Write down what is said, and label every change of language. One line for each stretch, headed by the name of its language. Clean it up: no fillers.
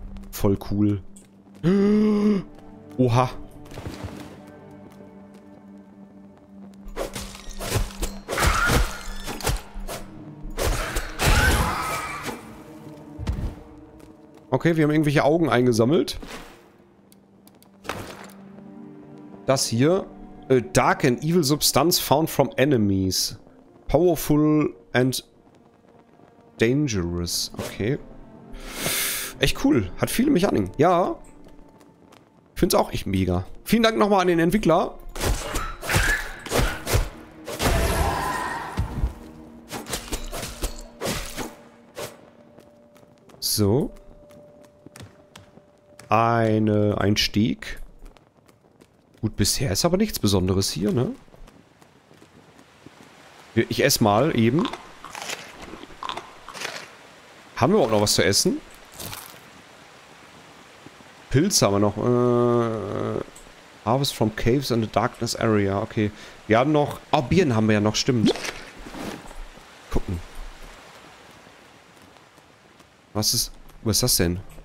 German: Voll cool. Oha. Okay, wir haben irgendwelche Augen eingesammelt. Das hier.
English: A dark and evil substance found from enemies. Powerful and dangerous.
German: Okay. Echt cool. Hat viele Mechaniken. Ja. Find's auch echt mega. Vielen Dank nochmal an den Entwickler. So. Ein Steg. Gut, bisher ist aber nichts Besonderes hier, ne? Ich esse mal eben. Haben wir überhaupt noch was zu essen? Pilze haben wir noch.
English: Harvest from Caves in the Darkness Area.
German: Okay. Wir haben noch... Oh, Bieren haben wir ja noch, stimmt. Gucken. Was ist das denn?